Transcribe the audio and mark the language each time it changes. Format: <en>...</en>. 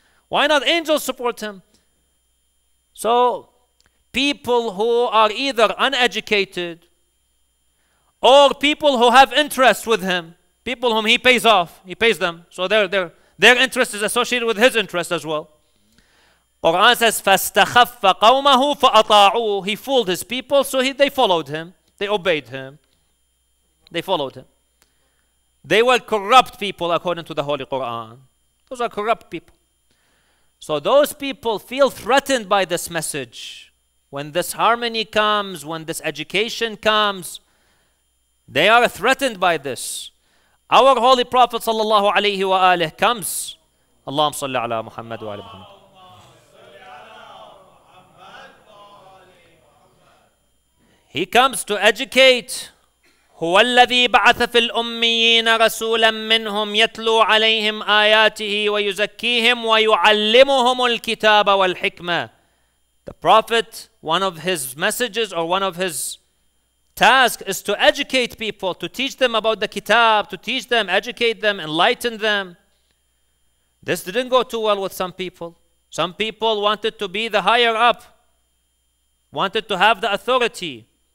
<en>Why not angels support him? So people who are either uneducated or people who have interest with him, people whom he pays off, he pays them. So Their interest is associated with his interest as well.</en> <ar>Quran says, فَاسْتَخَفَّ قَوْمَهُ فَأَطَاعُوهُ.</ar> <en>He fooled his people, so they followed him. They obeyed him. They followed him. They were corrupt people according to the Holy Quran. Those are corrupt people. So those people feel threatened by this message. When this harmony comes, when this education comes, they are threatened by this. Our Holy Prophet</en> <ar>sallallahu alayhi wa alihi</ar> <en>comes.</en> <ar>Allahumma salli ala Muhammad</ar> <en>wa ala Muhammad. He comes to educate.</en> <ar>هو الذي بعث في الأميين رسولا منهم يتلو عليهم آياته ويزكيهم ويعلمهم الكتاب والحكمة.</ar> <en>The Prophet, one of his messages or one of his tasks is to educate people, to teach them about the kitab, to teach them, educate them, enlighten them. This didn't go too well with some people. Some people wanted to be the higher up, wanted to have the authority.</en>